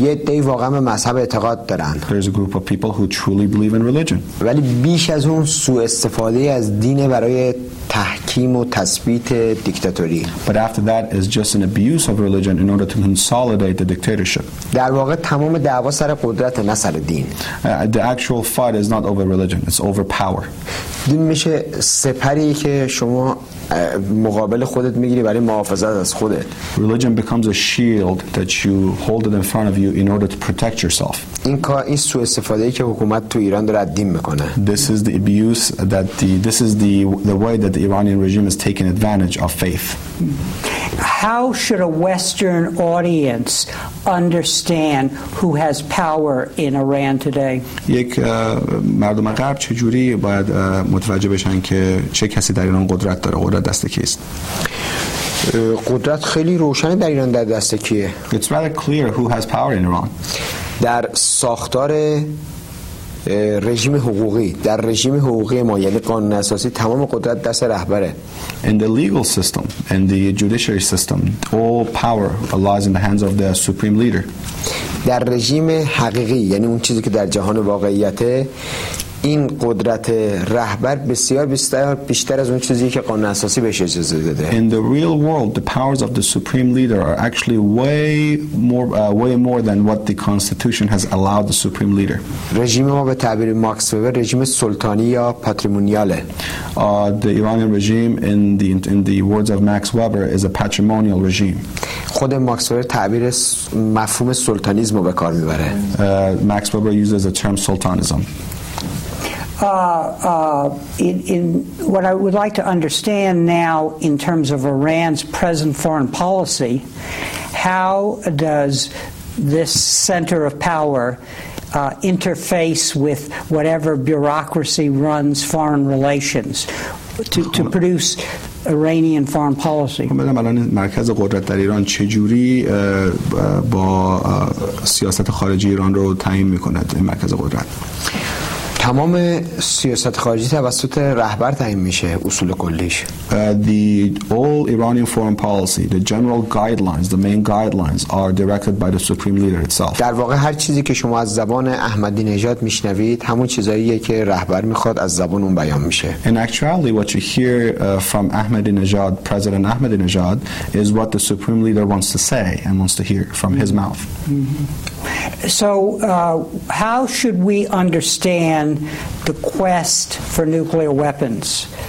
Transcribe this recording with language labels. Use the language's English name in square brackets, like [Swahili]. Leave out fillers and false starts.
[Persian] یه عده‌ای واقعا به مذهب اعتقاد دارن. [English] There's a group of people who truly believe in religion. [Persian] ولی بیش از اون سوء استفاده از دین برای تحکیم و تثبیت دیکتاتوری. [English] But after that is just an abuse of religion in order to consolidate the dictatorship. [Persian] در واقع تمام دعوا سر قدرت نه سر دین. [English] The actual fight is not over religion, it's over power. [Persian] دین میشه سپری که شما مقابل خودت میگیری برای محافظت از خودت. [English] Religion becomes a shield that you hold it in front of you in order to protect yourself. [Persian] این کار این سوء استفاده ای که حکومت تو ایران داره دین میکنه. [English] This is the abuse that this is the way that the Iranian regime is taking advantage of faith. How should a Western audience understand who has power in Iran today? [Persian] یک مردم غرب چجوری باید متوجه بشن که چه کسی در ایران قدرت داره؟ قدرت دست کیست؟ قدرت خیلی روشنه در ایران در دست کیه. [English] It's rather clear who has power in Iran. [Persian] در ساختار رژیم حقوقی، در رژیم حقوقی ما، یعنی قانون اساسی، تمام قدرت دست رهبره. [English] In the legal system, in the judiciary system, all power lies in the hands of the supreme leader. [Persian] در رژیم حقیقی، یعنی اون چیزی که در جهان واقعیته، این قدرت رهبر بسیار بسیار بیشتر از اون چیزی که قانون اساسی بهش اجازه داده. [English] In the real world, the powers of the supreme leader are actually way more than what the constitution has allowed the supreme leader. [Persian] رژیم ما به تعبیر ماکس وبر رژیم سلطانی یا پاتریمونیاله. [English] The Iranian regime in the words of Max Weber is a patrimonial regime. [Persian] خود ماکس وبر تعبیر مفهوم سلطانیسم رو به کار میبره. [English] Max Weber uses the term sultanism. In what I would like to understand now in terms of Iran's present foreign policy, how does this center of power interface with whatever bureaucracy runs foreign relations to produce Iranian foreign policy? [Persian] خب ببینم الان مرکز قدرت در ایران چجوری با سیاست خارجی ایران رو تعیین میکند این مرکز قدرت؟ تمام سیاست خارجی توسط رهبر تعیین میشه اصول کلیش. [English] The all Iranian foreign policy, the general guidelines, the main guidelines are directed by the supreme leader itself. [Persian] در واقع هر چیزی که شما از زبان احمدی نژاد میشنوید همون چیزاییه که رهبر میخواد از زبان اون بیان میشه. [English] In actuality, what you hear from Ahmadinejad, President Ahmadinejad, is what the supreme leader wants to say and wants to hear from his mouth. So, how should we understand the quest for nuclear weapons?